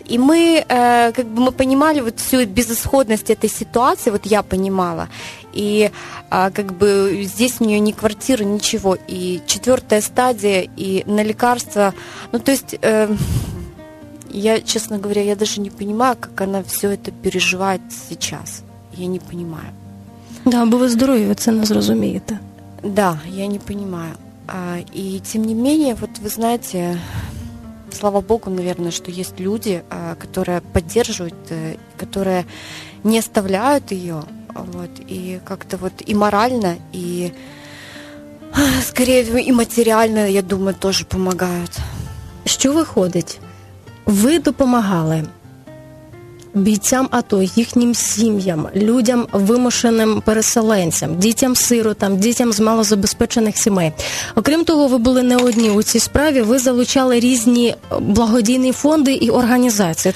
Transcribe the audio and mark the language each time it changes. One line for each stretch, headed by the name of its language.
Russian: И мы как бы мы понимали вот всю безысходность этой ситуации, вот я понимала. И как бы здесь у нее ни квартиры, ничего. И четвертая стадия, и на лекарства. Ну, то есть я, честно говоря, я даже не понимаю, как она все это переживает сейчас. Я не понимаю.
Ukrainian: Да, бо ви здоров'я, це не зрозумієте.
Russian: Да, я не понимаю. И тем не менее, вот вы знаете, слава Богу, наверное, что есть люди, которые поддерживают, которые не оставляют ее. Вот, и как-то вот и морально, и скорее и материально, я думаю, тоже помогают.
Ukrainian: Що виходить? Ви допомагали бійцям АТО, їхнім сім'ям, людям, вимушеним переселенцям, дітям-сиротам, дітям з малозабезпечених сімей. Окрім того, ви були не одні у цій справі, ви залучали різні благодійні фонди і організації.